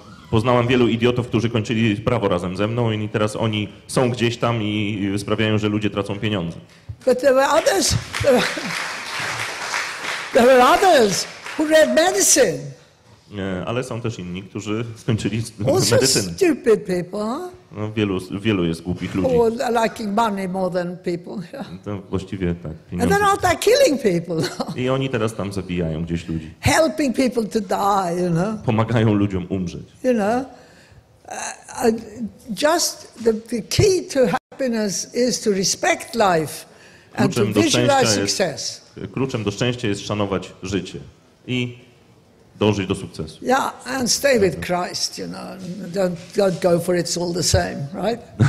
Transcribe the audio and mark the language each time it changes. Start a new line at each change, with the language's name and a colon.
Polish: Poznałem wielu idiotów, którzy kończyli prawo razem ze mną i teraz oni są gdzieś tam i sprawiają, że ludzie tracą pieniądze.
English: But there were others. There were others who read medicine.
Polish: Nie, ale są też inni, którzy skończyli medycynę.
English: Stupid people, huh?
Polish: No, wielu jest głupich ludzi.
English: Or liking money more than people.
Polish: To właściwie tak. Pieniądze.
English: And they're out there killing people.
Polish: I oni teraz tam zabijają gdzieś ludzi.
English: Helping people to die, you know.
Polish: Pomagają ludziom umrzeć.
English: You know, just the key to happiness is to respect life and to visualize success.
Polish: Kluczem do szczęścia jest szanować życie i dążyć do sukcesu.
English: Yeah, and stay with Christ, you know. Don't go for it, it's all the same, right?